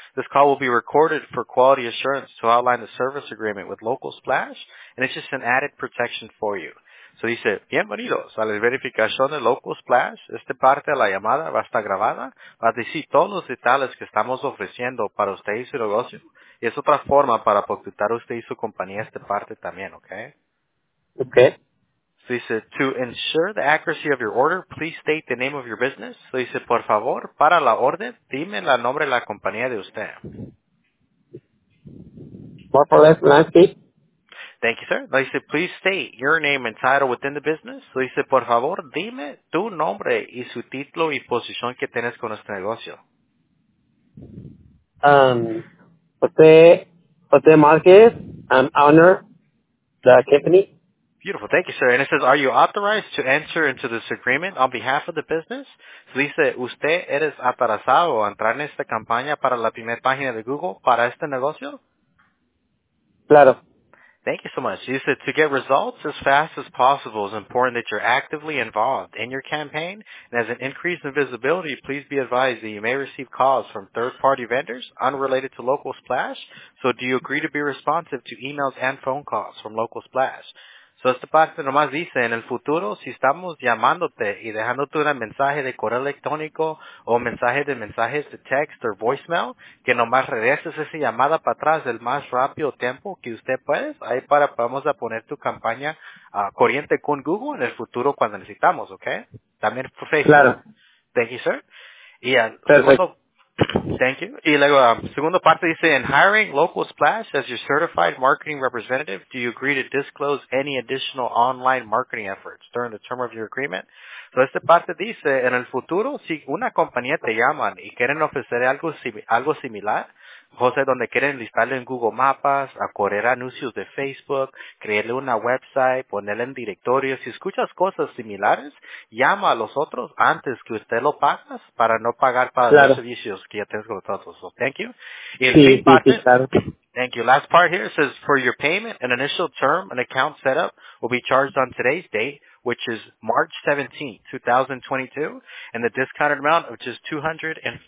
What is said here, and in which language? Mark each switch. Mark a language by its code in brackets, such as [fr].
[en] This call will be recorded for quality assurance to outline the service agreement with Local Splash, and it's just an added protection for you. [es] So dice, bienvenidos a la verificación de Local Splash. Esta parte de la llamada va a estar grabada. Va a decir todos los detalles que estamos ofreciendo para usted y su negocio. Y es otra forma para contactar a usted y su compañía esta parte también, ¿ok? Ok. [en] So [es] dice, [en] to ensure the accuracy of your order, please state the name of your business. [es] So dice, por favor, para la orden, dime el nombre de la compañía de usted. [en] More for less, Lansky. Thank you, sir. So [es] dice, [en] please state your name and title within the business. [es] So dice, por favor, dime tu nombre y su título y posición que tienes con nuestro negocio. [en] Jose Marquez, I'm owner the company. Beautiful. Thank you, sir. And it says, are you authorized to enter into this agreement on behalf of the business? [es] So dice, ¿usted eres autorizado a entrar en esta campaña para la primera página de Google para este negocio? Claro. [en] Thank you so much. You said, to get results as fast as possible, it's important that you're actively involved in your campaign. And as an increase in visibility, please be advised that you may receive calls from third-party vendors unrelated to Local Splash. So do you agree to be responsive to emails and phone calls from Local Splash? [es] So esta parte nomás dice, en el futuro, si estamos llamándote y dejándote un mensaje de correo electrónico o mensajes de text o voicemail, que nomás regreses esa llamada para atrás el más rápido tiempo que usted puede, ahí para vamos a poner tu campaña corriente con Google en el futuro cuando necesitamos, ¿ok? También Facebook. Claro. [en] Thank you, sir. Y [es] perfecto. [en] Thank you. [es] Y luego, segundo parte dice, [en] in hiring Local Splash as your certified marketing representative, do you agree to disclose any additional online marketing efforts during the term of your agreement? [es] So esta parte dice, en el futuro, si una compañía te llaman y quieren ofrecer algo similar, José, donde quieren listarle en Google Maps, a correr anuncios de Facebook, crearle una website, ponerle en directorio. Si escuchas cosas similares, llama a los otros antes que usted lo pagas para no pagar para Los servicios que ya tienes con nosotros. [en] So, thank you. [es] Y el sí, parte, sí, claro. [en] Thank you. Last part here says, for your payment, an initial term, an account setup will be charged on today's date, which is March 17, 2022, and the discounted amount of just $249.